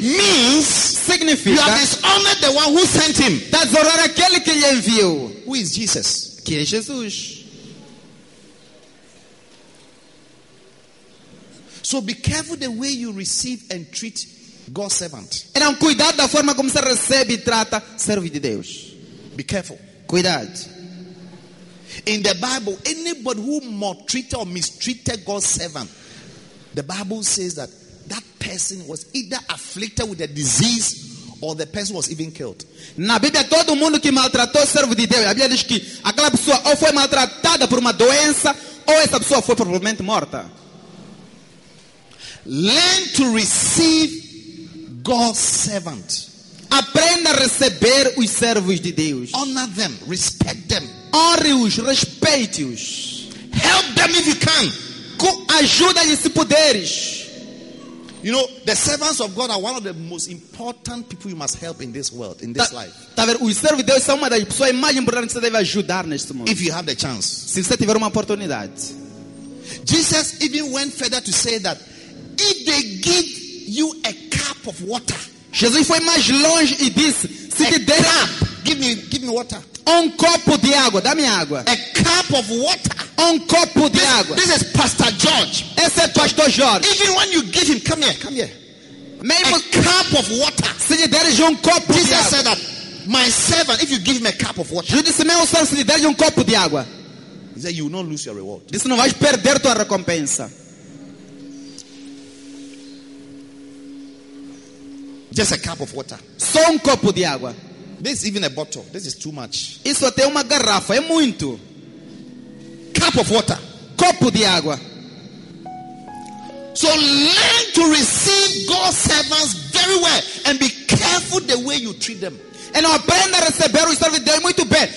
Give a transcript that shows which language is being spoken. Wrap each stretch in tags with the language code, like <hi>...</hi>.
<en>means</en> <pt>se significa.</pt> <en>You have dishonored the one who sent him.</en> <pt>Desonrar aquele que lhe enviou.</pt> <en>Who is Jesus?</en> <pt>Quem é Jesus?</pt> <en>So be careful the way you receive and treat God's servant.</en> <pt>Então cuidado da forma como você recebe e trata servo de Deus.</pt> <en>Be careful.</en> <pt>Cuidado.</pt> <en>In the Bible, anybody who maltreated or mistreated God's servant, the Bible says that that person was either afflicted with a disease or the person was even killed.</en> <pt>Na Bíblia, todo mundo que maltratou servo de Deus, a Bíblia diz que aquela pessoa ou foi maltratada por uma doença ou essa pessoa foi provavelmente morta.</pt> <en>Learn to receive God's servant.</en> <pt>Aprenda a receber os servos de Deus.</pt> <en>Honor them, respect them.</en> <pt>Honre-os, respeite-os.</pt> <en>Help them if you can.</en> <pt>Ajuda-lhes se puderes.</pt> <en>You know, the servants of God are one of the most important people you must help in this world, in this life.</en> <pt>Tá vendo? Os servos de Deus são uma das pessoas mais importantes que você deve ajudar neste mundo.</pt> <en>If you have the chance.</en> <pt>Se você tiver uma oportunidade.</pt> <en>Jesus even went further to say that if they give you a cup of water.</en> <pt>Jesus foi mais longe e disse, se te der</pt> <en>give me water.</en> <pt>Um copo de água, dá-me água.</pt> <en>A cup of water.</en> <pt>Um copo de água.</pt> <en>This is Pastor George.</en> <pt>Esse é Pastor George.</pt> <en>Even when you give him, come here.</en> <pt>Mesmo</pt> <en>a cup of water.</en> <pt>Se lhe deres um copo</pt> <en>Jesus</en> <pt>de água.</pt> <en>Jesus said that my servant, if you give him a cup of water.</en> <pt>Jesus disse, meu servo, se lhe deres um copo de água.</pt> <en>He said, you will not lose your reward.</en> <pt>Disse, não vais perder tua recompensa.</pt> <en>Just a cup of water.</en> <pt>Só um copo de água.</pt> <en>This is even a bottle. This is too much.</en> <pt>Isso até uma garrafa. É muito.</pt> <en>Cup of water.</en> <pt>Copo de água.</pt> <en>So learn to receive God's servants very well. And be careful the way you treat them.</en> <pt>E não aprenda a receber os servos de Deus muito bem.</pt>